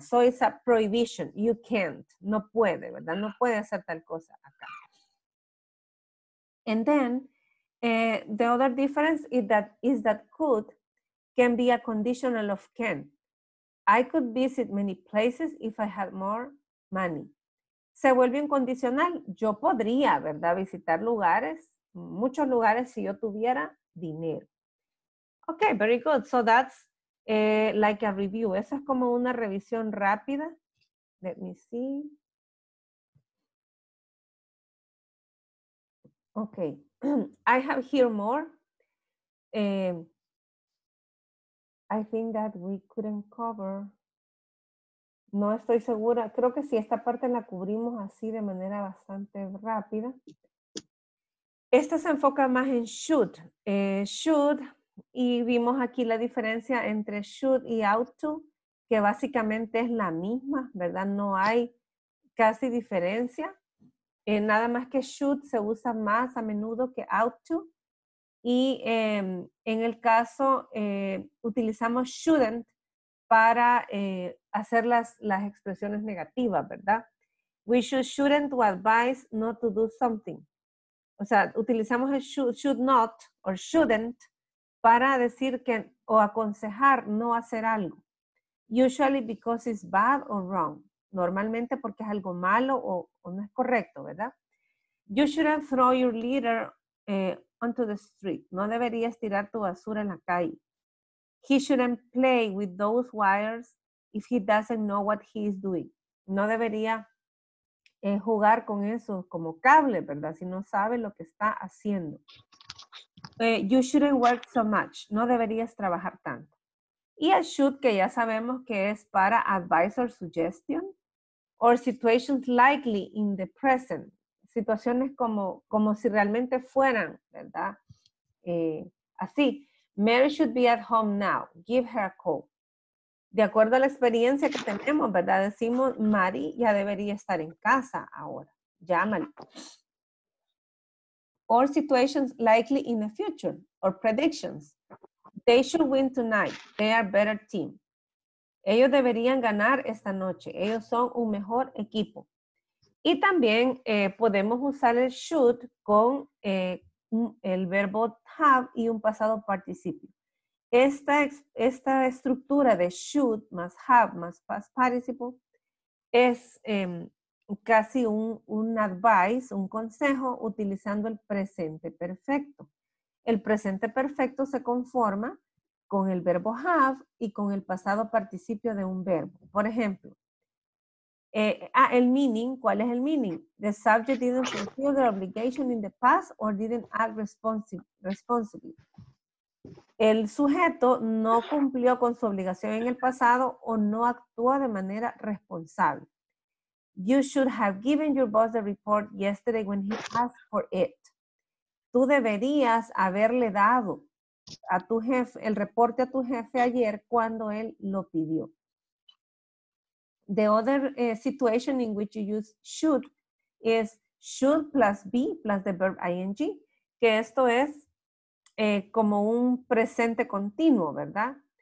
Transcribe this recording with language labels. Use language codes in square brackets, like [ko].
[en] So it's a prohibition, you can't, [es] no puede, ¿verdad? No puede hacer tal cosa acá. [en] And then, The other difference is that could can be a conditional of can. I could visit many places if I had more money. [es] Se vuelve un condicional. Yo podría, ¿verdad? Visitar lugares, muchos lugares, si yo tuviera dinero. [en] Okay, very good. So that's like a review. [es] Esa es como una revisión rápida. [en] Let me see. Okay. I have here more. I think that we couldn't cover. [es] No estoy segura. Creo que sí, esta parte la cubrimos así de manera bastante rápida. Esta se enfoca más en should. Should. Y vimos aquí la diferencia entre should y ought to, que básicamente es la misma, ¿verdad? No hay casi diferencia. Nada más que should se usa más a menudo que ought to. Y en el caso, utilizamos shouldn't para hacer las expresiones negativas, ¿verdad? [en] We shouldn't to advise not to do something. [es] O sea, utilizamos el should not or shouldn't para decir que, o aconsejar no hacer algo. [en] Usually because it's bad or wrong. [es] Normalmente porque es algo malo o no es correcto, ¿verdad? [en] You shouldn't throw your litter onto the street. [es] No deberías tirar tu basura en la calle. [en] He shouldn't play with those wires if he doesn't know what he is doing. [es] No debería jugar con eso como cable, ¿verdad? Si no sabe lo que está haciendo. [en] You shouldn't work so much. [es] No deberías trabajar tanto. Y a should, que ya sabemos que es para [en] advice or suggestion, or situations likely in the present. [es] Situaciones como si realmente fueran, ¿verdad? Así. [en] Mary should be at home now. Give her a call. [es] De acuerdo a la experiencia que tenemos, ¿verdad? Decimos, Mary ya debería estar en casa ahora. Llámala. [en] Or situations likely in the future, or predictions. They should win tonight. They are a better team. [es] Ellos deberían ganar esta noche. Ellos son un mejor equipo. Y también podemos usar el should con el verbo have y un pasado participio. Esta estructura de should más have más past participle es casi un advice, un consejo, utilizando el presente perfecto. El presente perfecto se conforma con el verbo have y con el pasado participio de un verbo. Por ejemplo, el meaning, ¿cuál es el meaning? [en] The subject didn't fulfill their obligation in the past or didn't act responsibly. [es] El sujeto no cumplió con su obligación en el pasado o no actuó de manera responsable. [en] You should have given your boss the report yesterday when he asked for it. [es] Tú deberías haberle dado a tu jefe el reporte a tu jefe ayer cuando él lo pidió. [en] The other situation in which you use should is should plus be plus the verb ing, [es] que esto es como un presente continuo, ¿verdad?